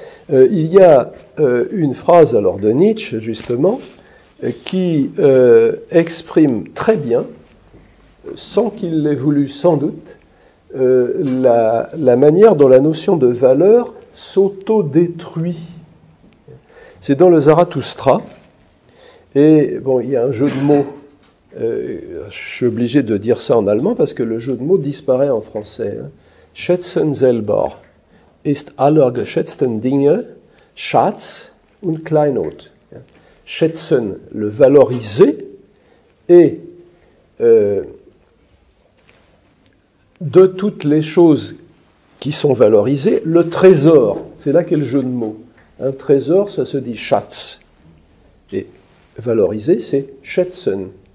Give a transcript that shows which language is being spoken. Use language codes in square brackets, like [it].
[fr] Il y a une phrase alors de Nietzsche, justement, qui exprime très bien, sans qu'il l'ait voulu sans doute, la manière dont la notion de valeur s'auto-détruit. C'est dans le Zarathoustra, et bon, il y a un jeu de mots, je suis obligé de dire ça en allemand parce que le jeu de mots disparaît en français. [de] Schätzen selber ist aller geschätzten Dinge Schatz und Kleinod. [fr] Schätzen, le valoriser, et de toutes les choses qui sont valorisées, le trésor, c'est là qu'est le jeu de mots. Un trésor, ça se dit Schatz. Et valoriser, c'est Schätzen.